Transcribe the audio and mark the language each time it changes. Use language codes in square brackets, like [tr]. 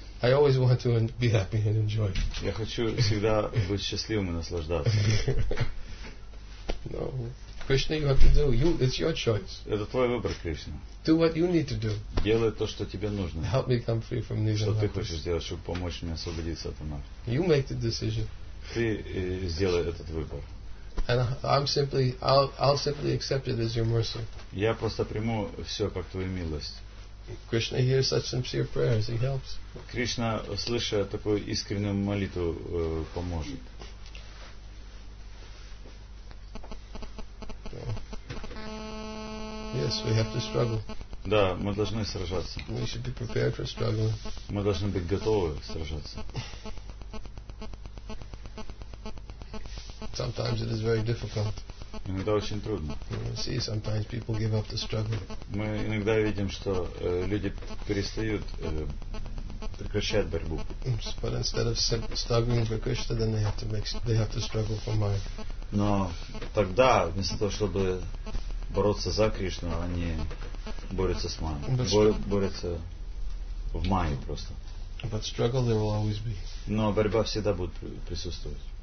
[en] I always want to be happy and enjoy. [ru] Я хочу всегда быть счастливым и наслаждаться. [en] No, Krishna, you have to do. You, it's your choice. [ru] Это твой выбор, Кришна. [en] Do what you need to do. [ru] Делай то, что тебе нужно. [en] Help me come free from these. [ru] Что ты хочешь сделать, чтобы помочь мне освободиться от них? [en] You make the decision. [ru] Ты сделай этот выбор. [en] And I'll simply accept it as your mercy. [ru] Я просто приму все как твою милость. [en] Krishna hears such sincere prayers, he helps. [ru] Кришна, слыша такую искреннюю молитву, поможет. [en] Yes, we have to struggle. [ru] Да, мы должны сражаться. [en] We should be prepared for struggle. [ru] Мы должны быть готовы сражаться. [en] Sometimes it is very difficult. [ru] Иногда очень трудно. [en] See, sometimes people give up the struggle. [ru] Мы иногда видим, что люди перестают прекращать борьбу. [en] But instead of struggling for Krishna, then they have to struggle for Maya. [ru] Но тогда вместо того, чтобы бороться за Кришну, они борются с Майей. Борются в Майе просто. [en] But struggle there will always be. [ru] Но борьба всегда будет присутствовать.